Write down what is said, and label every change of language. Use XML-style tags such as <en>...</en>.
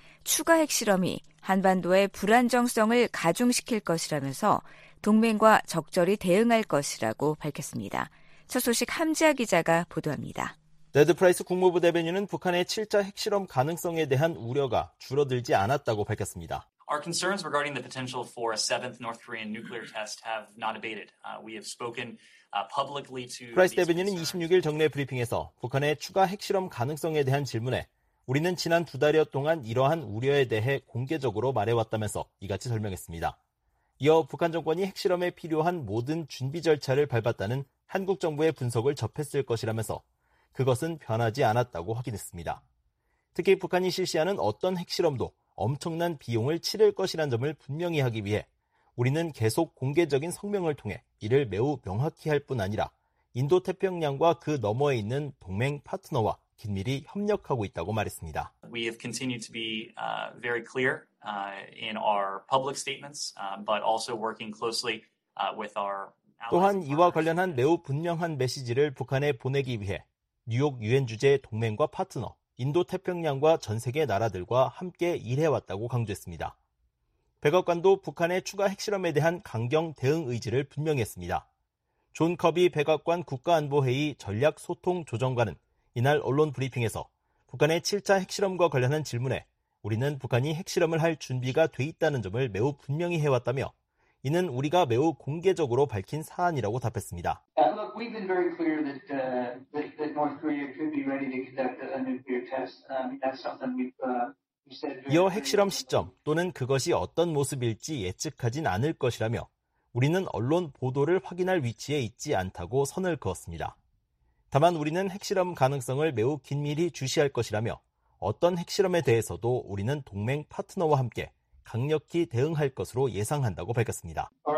<ko>추가 핵실험이 한반도의 불안정성을 가중시킬 것이라면서 동맹과 적절히 대응할 것이라고 밝혔습니다. 첫 소식 함지아 기자가 보도합니다. 네드 프라이스 국무부 대변인은 북한의 7차 핵실험 가능성에 대한 우려가 줄어들지 않았다고 밝혔습니다.</ko> <en>Our concerns regarding the potential for a seventh North Korean nuclear test have not abated. We have spoken publicly to</en> <ko>프라이스 대변인은 26일 정례 브리핑에서 북한의 추가 핵실험 가능성에 대한 질문에 우리는 지난 두 달여 동안 이러한 우려에 대해 공개적으로 말해왔다면서 이같이 설명했습니다. 이어 북한 정권이 핵실험에 필요한 모든 준비 절차를 밟았다는 한국 정부의 분석을 접했을 것이라면서 그것은 변하지 않았다고 확인했습니다. 특히 북한이 실시하는 어떤 핵실험도 엄청난 비용을 치를 것이라는 점을 분명히 하기 위해 우리는 계속 공개적인 성명을 통해 이를 매우 명확히 할 뿐 아니라 인도태평양과 그 너머에 있는 동맹 파트너와 긴밀히 협력하고 있다고 말했습니다.</ko> <en>We have continued to be very clear in our public statements, but also working closely with our</en> <ko>또한 이와 관련한 매우 분명한 메시지를 북한에 보내기 위해 뉴욕 유엔 주재 동맹과 파트너, 인도태평양과 전 세계 나라들과 함께 일해왔다고 강조했습니다. 백악관도 북한의 추가 핵실험에 대한 강경 대응 의지를 분명히 했습니다. 존 커비 백악관 국가안보회의 전략소통조정관은 이날 언론 브리핑에서 북한의 7차 핵실험과 관련한 질문에 우리는 북한이 핵실험을 할 준비가 돼 있다는 점을 매우 분명히 해왔다며 이는 우리가 매우 공개적으로 밝힌 사안이라고 답했습니다.</ko> <en>Look, we've been very clear that North Korea could be ready to conduct a nuclear test. That's something we've said.</en> <ko>이어 핵실험 시점 또는 그것이 어떤 모습일지 예측하진 않을 것이라며 우리는 언론 보도를 확인할 위치에 있지 않다고 선을 그었습니다. 다만 우리는 핵실험 가능성을 매우 긴밀히 주시할 것이라며 어떤 핵실험에 대해서도 우리는 동맹 파트너와 함께 강력히 대응할 것으로 예상한다고 밝혔습니다.</ko>